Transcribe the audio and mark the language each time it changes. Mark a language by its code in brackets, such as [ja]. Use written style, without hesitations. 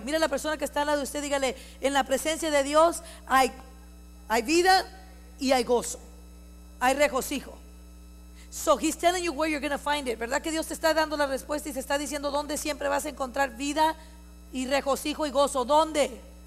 [es] Mira la persona que está al lado de usted, dígale, en la presencia de Dios hay vida y hay gozo. Hay regocijo. [en] So he's telling you where you're going to find it. [es] ¿Verdad que Dios te está dando la respuesta y te está diciendo dónde siempre vas a encontrar vida y regocijo y gozo? ¿Dónde?